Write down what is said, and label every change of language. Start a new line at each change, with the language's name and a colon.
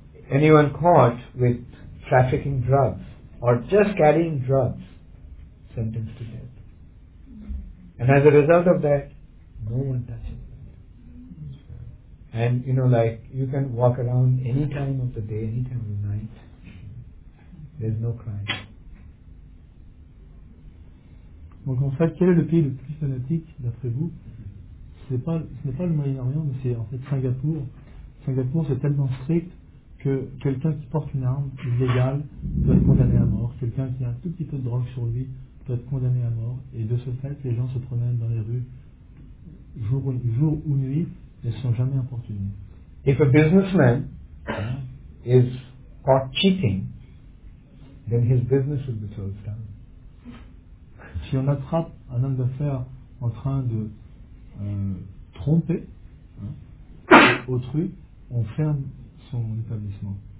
English: Anyone caught with trafficking drugs or just carrying drugs, sentenced to death. And as a result of that, no one touches them. And you know, like, you can walk around any time of the day, any time of the night, there's no crime.
French: Donc en fait, quel est le pays le plus fanatique d'après vous? Ce n'est pas le Moyen-Orient, mais c'est en fait Singapour. Singapour, c'est tellement strict que quelqu'un qui porte une arme illégale doit être condamné à mort. Quelqu'un qui a un tout petit peu de drogue sur lui doit être condamné à mort. Et de ce fait, les gens se promènent dans les rues jour ou nuit et ne sont jamais importunés.
English: If a businessman is caught cheating, then his business will be closed down.
French: Si on attrape un homme d'affaires en train de tromper autrui, on ferme son établissement.